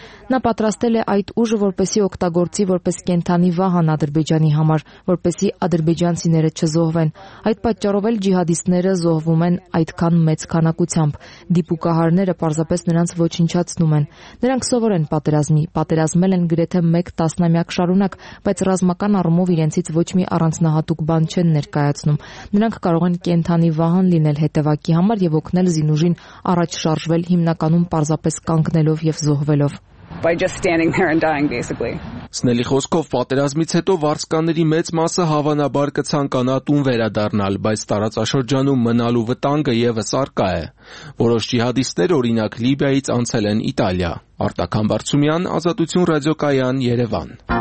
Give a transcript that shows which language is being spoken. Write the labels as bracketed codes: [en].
[hy] Նա պատրաստել է այդ ուժը, որպեսի օգտագործի որպես կենդանի վահան Ադրբեջանի համար, որպեսի ադրբեջանցիները չզոհվեն։ Այդ պատճառով էլ ջիհադիստները զոհվում են այդքան մեծ քանակությամբ։ Դիպուկահարները պարզապես նրանց ոչնչացնում են։ Նրանք սովոր են պատերազմի, պատերազմել են գրեթե մեկ տասնամյակ շարունակ, բայց ռազմական առումով իրենցից ոչ մի առանձնահատուկ բան չեն ներկայացնում։ Նրանք կարող են կենդանի վահան լինել հետևակի համար և օգնել զինուժին առաջ շարժվել, հիմնականում պարզապես կանգնելով և զոհվելով։ [en] By just standing there and dying, basically. [hy] Սնելի խոսքով, պատերազմից հետո վարձկանների մեծ մասը հավանաբար կցանկանա տուն վերադառնալ, բայց տարածաշրջանում մնալու վտանգը ևս առկա է։ Որոշ ջիհադիստներ, օրինակ, Լիբիայից անցել են Իտալիա։ Արտակամ Բարձումյան, Ազատություն ռադիոկայան, Երևան։